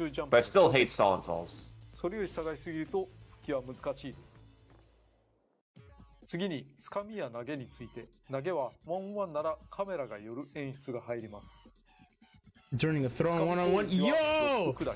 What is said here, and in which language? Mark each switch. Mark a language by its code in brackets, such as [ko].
[en] But I still hate Stonefalls. So you should have seen it, Fuki was difficult. [ja] 次に掴みや投げについて、投げはワンワンならカメラが寄る演出が入ります。 [en] During the throw one on one, yo!